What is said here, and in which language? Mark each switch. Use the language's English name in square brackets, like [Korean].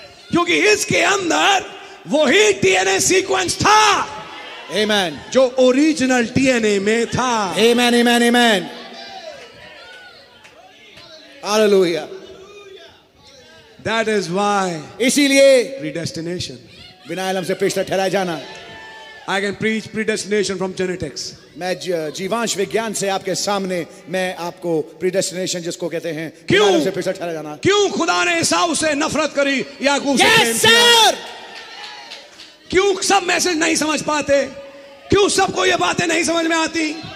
[Hindi] क्योंकि इसके अंदर वही डीएनए सीक्वेंस था. आमेन. जो ओरिजिनल डीएनए में था. आमेन, आमेन, आमेन. हालेलुया. [English] That is why. [Hindi] इसीलिए [English] predestination. [Hindi] बिना आलम से पेशता ठहराया जाना. [English] I can preach predestination from genetics. [Hindi] मैं जीवांश विज्ञान से आपके सामने मैं आपको predestination जिसको कहते हैं. क्यों से पेशता ठहराया जाना? क्यों खुदा ने ऐसा उसे नफरत करी या कुछ? [English] Yes sir. [Hindi] क्यों सब मैसेज नहीं समझ पाते? क्यों सबको ये बातें नहीं समझ में आती?